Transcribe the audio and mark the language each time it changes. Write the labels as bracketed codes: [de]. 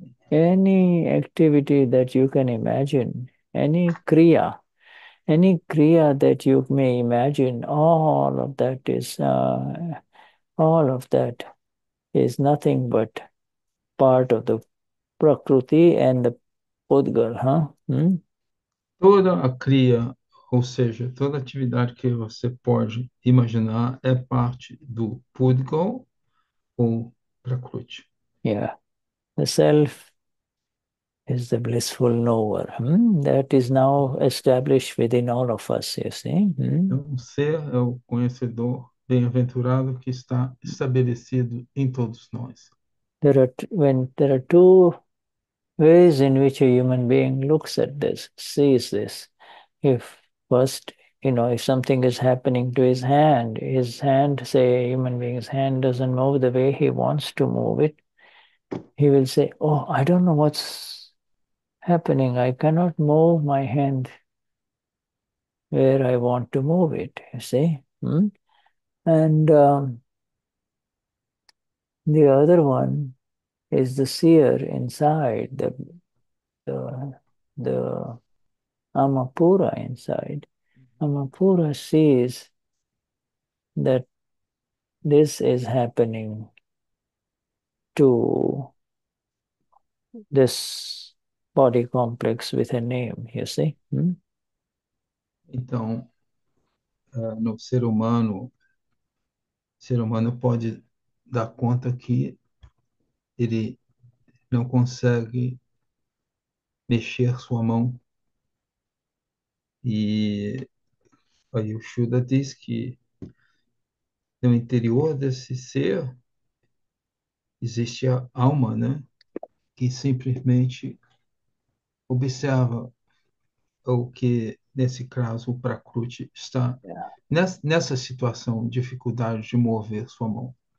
[en] Any activity that you can imagine, any kriya that you may imagine, all of that is nothing but part of the prakriti and the pudgal, [pt] Toda a cria, ou seja, toda atividade que você pode imaginar é parte do Pudgal ou Prakrut. [en] The self is the blissful knower. That is now established within all of us, you see. [pt] Então, o ser é o conhecedor bem-aventurado que está estabelecido em todos nós. [en] There are two ways in which a human being looks at this, sees this. If first, if something is happening to his hand, say a human being's hand doesn't move the way he wants to move it, he will say, "Oh, I don't know what's happening. I cannot move my hand where I want to move it," you see. And the other one is the seer inside, the Amapura inside. Amapura sees that this is happening to this body complex with a name, you see? [pt] Então, no ser humano pode dar conta que ele não consegue mexer sua mão. E aí o Shuddha diz que no interior desse ser existe a alma, né, que simplesmente observa o que, nesse caso, o Prakruti está nessa situação, dificuldade de mover sua mão.